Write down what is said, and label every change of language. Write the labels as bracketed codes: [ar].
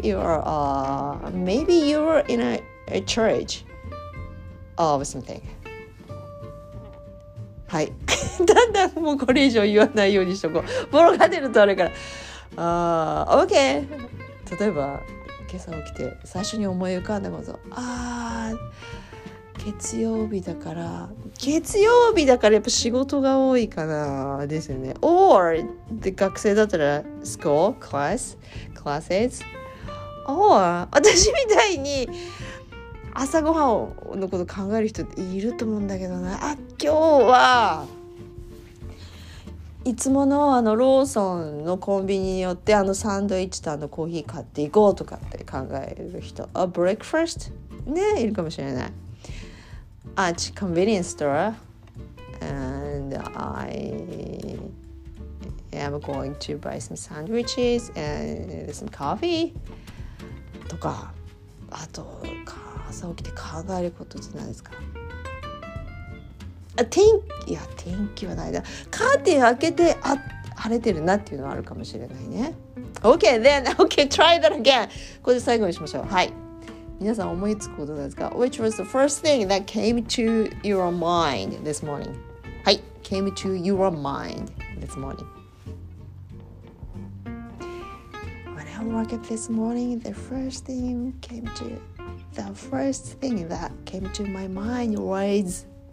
[en] You are maybe you are in a church of something. [ja] はい。だんだんもうこれ以上言わないようにしとこう。ボロが出るとあれから。あー、OK。例えば、今朝起きて最初に思い浮かんだこと。あー、月曜日だから、月曜日だからやっぱ仕事が多いかな、ですよね。 Or、で学生だったら、 [en] school、class、classes。 [ja] Or、私みたいに、朝ごはんのこと考える人っていると思うんだけどな。あ、今日は、いつも あのローソンのコンビニに寄ってあのサンドイッチとあのコーヒー買っていこうとかって考える人。あ、ブレックファーストね、いるかもしれない。あ、ち、コンビニエンスストア。 [en] And I am going to buy some sandwiches and some coffee. [ja] とか、あと、朝起きて考えることって何ですか？天気、いや天気はないな。カーテン開けて、あ、晴れてるなっていうのはあるかもしれないね。 [en] OK, then, OK, try that again. [ja] これで最後にしましょう。はい。皆さん思いつくことですか？ [en] Which was the first thing that came to your mind this morning? はい。Came to your mind this morning. When I woke up this morning, the first thing came to... The first thing that came to my mind was...